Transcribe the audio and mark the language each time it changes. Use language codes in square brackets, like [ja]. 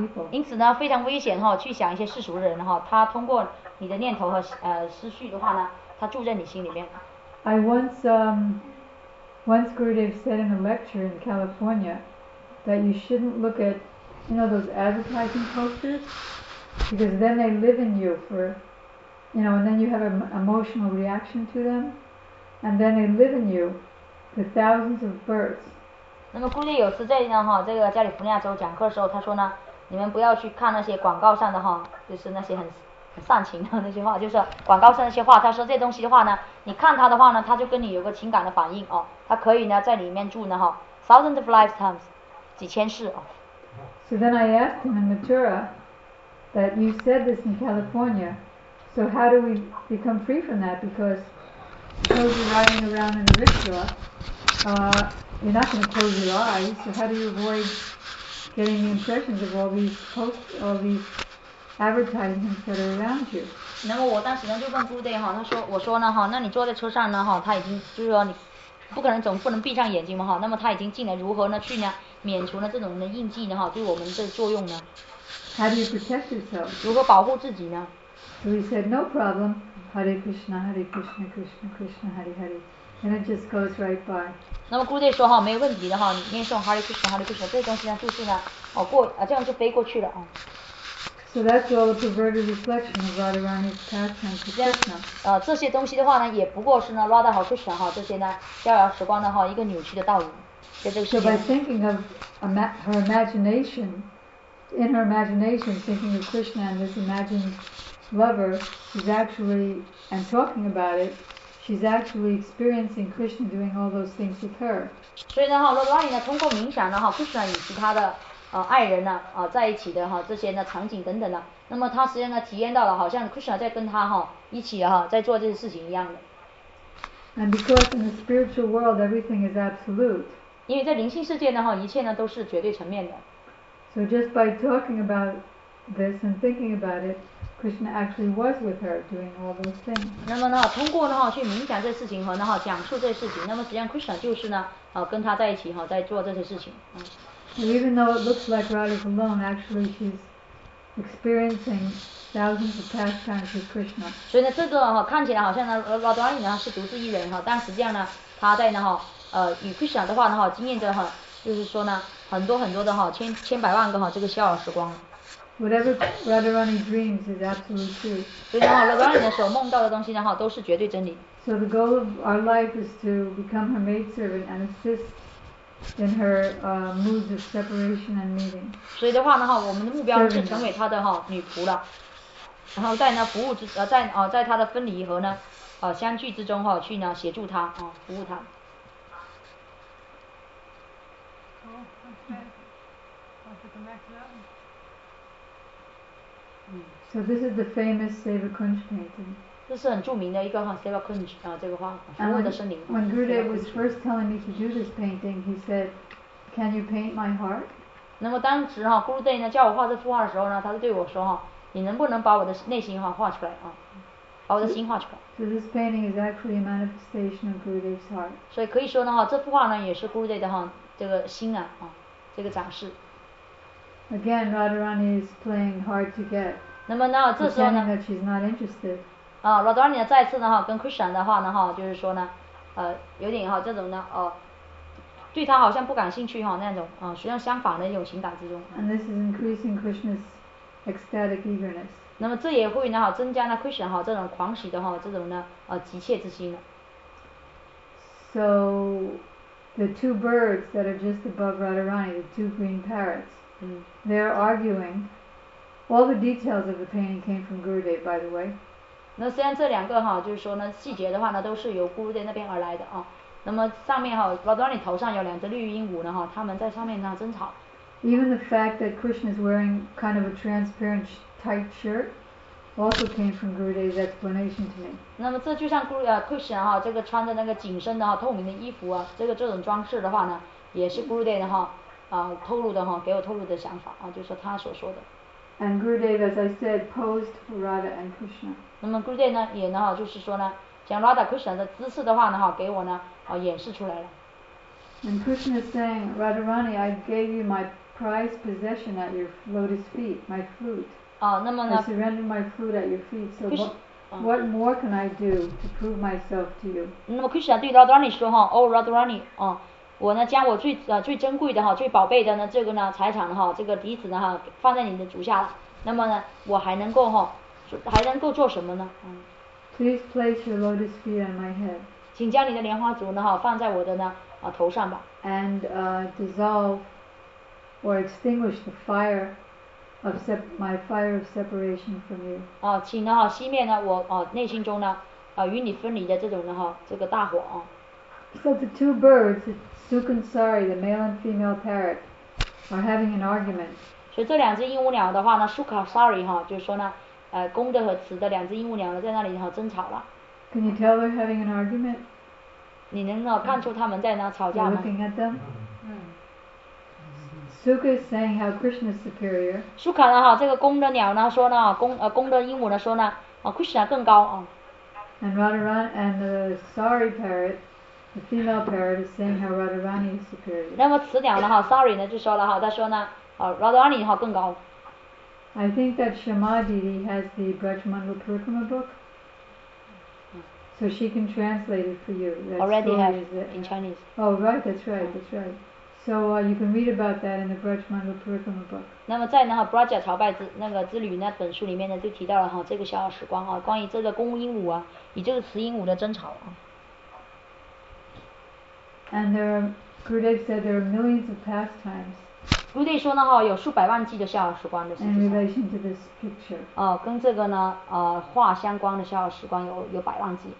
[zh] 因此呢，非常危险哈、哦，去想一些世俗的人哈、哦，他通过你的念头和思绪的话呢，他住在你心里面。 [en] I once once Gurudev said in a lecture in California that you shouldn't look at you know those advertising posters because then they live in you for you know and then you have an emotional reaction to them and then they live in you for thousands of births. [zh] 那么估计有次在呢哈，这个加利福尼亚州讲课的时候，他说呢，你们不要去看那些广告上的哈，就是那些很煽情的那些话，就是广告上那些话。他说这东西的话呢，你看他的话呢，他就跟你有个情感的反应哦，他可以呢在里面住呢哈 ， [en] thousands of lifetimes， [zh] 几千世哦。 [en] So then I asked him in Mathura that you said this in California. So how do we become free from that? Because those are riding around in Mathura. You're not going to close your eyes, so how do you avoid getting the impressions of all these posts, all these advertisements that are around you? [zh] 那么我当时呢就问 Gurudev 哈，他说我说呢哈，那你坐在车上呢哈，他已经就是说你不可能总不能闭上眼睛嘛哈，那么他已经进来，如何呢去呢免除呢这种的印记呢哈，对我们的作用呢 [en] ？How do you protect yourself? [zh] 如何保护自己呢 [en] ？So he said, no problem. Hare Krishna, Hare Krishna, Krishna Krishna, Hare Hare. And it just goes right by. [zh] 那么 Gurudev 说哈，没有问题的哈，你念诵 Hare Krishna Hare Krishna 这些东西呢，就是呢，哦过啊，这样就飞过去了啊。 [en] So that's all a perverted reflection of Radharani's pastime to Krishna. [zh] 这些东西的话呢，也不过是呢 Radha 和 Krishna 哈这些呢逍遥时光的哈一个扭曲的倒影。 [en] So by thinking of her imagination, in her imagination, thinking of Krishna and this imagined lover, she's actually and talking about it. She's actually experiencing Krishna doing all those things with her. [zh] 所以呢哈，罗拉尼呢，通过冥想呢哈 ，Krishna 与其他的爱人呢在一起的哈这些呢场景等等呢，那么他实际上呢体验到了好像 Krishna 在跟他哈一起哈在做这些事情一样的。 [en] And because in the spiritual world everything is absolute. [zh] 因为在灵性世界呢哈，一切呢都是绝对层面的。 [en] So just by talking about this and thinking about it. Krishna actually was with her doing all those things. [zh] 那么呢，通过呢哈去冥想这事情和呢哈讲述这事情，那么实际上 Krishna 就是呢，跟他在一起哈，在做这些事情。 [en] Even though it looks like Radha is alone, actually she's experiencing thousands of pastimes with Krishna. [zh] 所以呢，这个哈看起来好像呢，拉多阿尼呢是独自一人哈，但实际上呢，他在呢哈与 Krishna 的话呢哈，经验着哈，就是说呢，很多很多的哈，千百万个哈这个逍遥时光。 [en] Whatever Radharani dreams is absolute truth. [zh] 所以呢哈，拉多阿尼呢所梦到的东西呢哈，都是绝对真理。 [en] So the goal of our life is to become her maidservant and assist in her moods of separation and meeting. [zh] 所以的话呢哈，我们的目标是成为她的哈女仆了，然后在呢服务之在啊在她的分离和呢相聚之中哈去呢协助她啊服务她。 [en] Oh, okay. I'll put the So this is the famous Sevakunj painting. [zh] 这是很著名的一个哈 ，Seva Kunj 啊，这个画，福的森林。 [en] When Gurudev was first telling me to do this painting, he said, "Can you paint my heart?" [zh] 那么当时哈 ，Gurudev 呢叫我画这幅画的时候呢，他就对我说哈，你能不能把我的内心哈画出来啊，把我的心画出来 [en] ？So this painting is actually a manifestation of Gurudev's heart. [zh] 所以可以说呢哈，这幅画呢也是 Gurudev 的哈这个心啊啊这个展示。 [en] Again, Radharani is playing hard to get. [zh] 那么呢，这时候呢 [en] ，Pretending that she's not interested. [zh] 啊，拉多尼呢再次呢哈跟 Krishna 的话呢哈，就是说呢，有点哈这种呢对他好像不感兴趣哈那种，实际上相反的一种情感之中。 [en] And this is increasing Krishna's ecstatic eagerness. [zh] 那么这也会呢哈增加呢 Krishna 哈这种狂喜的哈这种呢急切之心呢。 [en] So the two birds that are just above Radharani, the two green parrots, they're arguing. All the details of the painting came from Gurudev, by the way. [zh] 那虽然这两个哈，就是说呢，细节的话呢，都是由咕噜在那边而来的啊。那么上面哈，拉多尼头上有两只绿鹦鹉呢哈，他们在上面呢争吵。 [en] Even the fact that Krishna is wearing kind of a transparent tight shirt also came from Gurudev's explanation to me. [zh] 那么这就像Krishna 哈，这个穿着那个紧身的哈透明的衣服啊，这种装饰的话呢，也是Gurudev哈透露的哈，给我透露的想法啊，就是他所说的。 [en] And Gurudev, as I said, posed for Radha and Krishna. [zh] 那么 Gurudev 呢，也呢哈，就是说呢，将 Radha Krishna 的姿势的话呢哈，给我呢演示出来了。 [en] And Krishna is saying, Radharani, I gave you my prized possession at your lotus feet, my flute. [zh] 啊，那么呢 [en] ？I surrender my flute at your feet. So what more can I do to prove myself to you? [zh] 那么 Krishna 对 Radharani 说哈 ，Oh Radharani, 啊。我呢将我最最珍贵的哈最宝贝的呢这个呢财产哈这个笛子呢哈放在你的足下了，那么呢我还能够哈还能够做什么呢？嗯。 [en] Please place your lotus feet on my head. [zh] 请将你的莲花足呢哈放在我的呢头上吧。 [en] And dissolve or extinguish the fire of my fire of separation from you. [zh] 啊，请呢哈熄灭呢我内心中呢与你分离的这种呢哈这个大火啊。 [en] So the two birds, Sukhansari, the male and female parrot, are having an argument. [zh] 所以这两只鹦鹉鸟的话呢 ，Sukhansari 哈，就是说呢，公的和雌的两只鹦鹉鸟呢，在那里哈争吵了。 [en] Can you tell they're having an argument? [zh] 你能看出他们在那吵架吗 [en] ？You're looking at them. Sukha is saying how Krishna is superior. [zh] Sukha 呢哈，这个公的鸟呢说呢，公的鹦鹉呢说呢，Krishna 更高啊。 [en] And Radharan and the sorry parrot. The female parrot is saying how Radharani is superior. [zh] 那么雌鸟呢哈 ，Sorry 呢就说了哈，他说呢，Radharani 哈更高。 [en] I think that Shama Didi has the Brajmandal Purukama book, so she can translate it for you. Already have in Chinese. Oh right, that's right. So you can read about that in the Brajmandal Purukama book. [zh] 那么在呢哈 Braja 朝拜之那个之旅那本书里面呢，就提到了哈这个逍遥时光啊，关于这个公鹦鹉啊，以这个雌鹦鹉的争吵啊。 [en] And there, Gurudev said there are millions of pastimes. [zh] Gurudev 说呢哈，有数百万计的逍遥时光的。 [en] In relation to this picture. [zh] 哦，跟这个呢，画相关的逍遥时光有百万计。